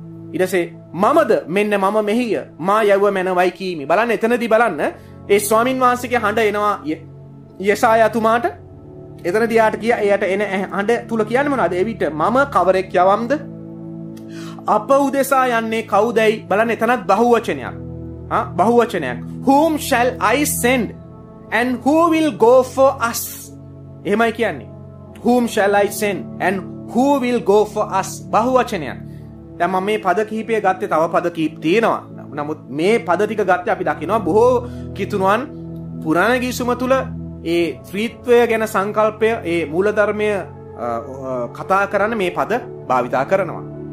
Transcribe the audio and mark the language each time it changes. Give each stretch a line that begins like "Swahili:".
Sinhala: ඊටසේ මමද මෙන්න මම මෙහිය මා යව මැනවයි කීමි. බලන්න එතනදී බලන්න ඒ ස්වාමින් වහන්සේගේ හඬ එනවා යෙසායතුමාට. එතනදී යාට කියා එයාට එන හඬ තුල කියන්නේ මොනවද? එවිට මම කවරෙක් යවම්ද අප උදෙසා යන්නේ කවුදයි. බලන්න එතනත් බහුවචනයක්. බහුවචනයක්.
English: Whom shall I send and who will go for us?
Sinhala: එහෙමයි කියන්නේ.
English: Whom shall I send and who will go for us?
Sinhala: බහුවචනයක්. දැන් මම මේ පද කිහිපය ගත්තේ තව පද කිහිප තියෙනවා. නමුත් මේ පද ටික ගත්තේ අපි දකිනවා බොහෝ කිතුනුවන් පුරාණ ගිසුම තුල ඒ ත්‍රිත්වය ගැන සංකල්පය ඒ මූලධර්මය කතා කරන්න මේ පද භාවිතා කරනවා.